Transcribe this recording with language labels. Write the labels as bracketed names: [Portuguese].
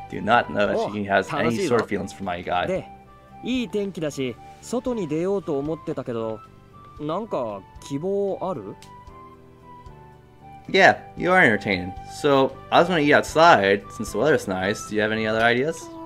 [English] Do not know if he has any sort of feelings for my guy. [Japanese] で、いい天気だし、外に出ようと思ってたけど、なんか希望ある? [English] Yeah, you are entertaining. So, I was gonna eat outside, since the weather's nice. Do you have any other ideas?